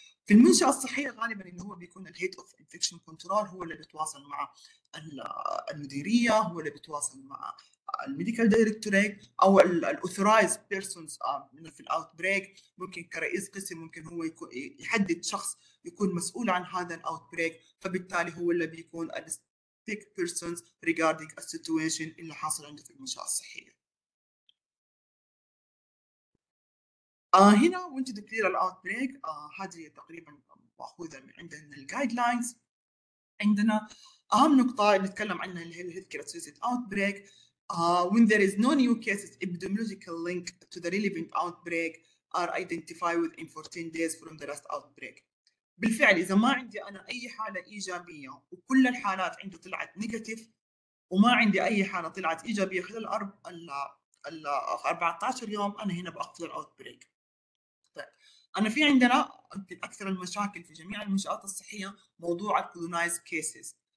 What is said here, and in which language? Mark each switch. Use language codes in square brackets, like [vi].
[ar] في المنشأة الصحية غالبا اللي هو بيكون الهيد اوف انفكشن كنترول، هو اللي بيتواصل مع المديريه، هو اللي بيتواصل مع الميديكال دايركتوريت او الاوثورايز بيرسونز في الاوت بريك، ممكن كرئيس قسم ممكن هو يكون يحدد شخص يكون مسؤول عن هذا الاوت بريك، فبالتالي هو اللي بيكون السبيك بيرسونز ريجاردينج السيتويشن اللي حاصل عنده في المنشأة الصحية. هنا وانت تكلير الاوت بريك، هذه تقريبا مأخوذه من عندنا الجايد لاينز. عندنا اهم نقطه نتكلم عنها اللي هي الهيلث كير اسوسييتد اوت بريك، [en] when there is no new cases epidemiological link to the relevant outbreak are identified within 14 days from the last outbreak. [ar] بالفعل اذا ما عندي انا اي حاله ايجابيه وكل الحالات عنده طلعت نيجاتيف، وما عندي اي حاله طلعت ايجابيه خلال ال 14 يوم، انا هنا باخذ الاوت بريك. أنا في عندنا من أكثر المشاكل في جميع المنشآت الصحية موضوع الكولونايز كيسز.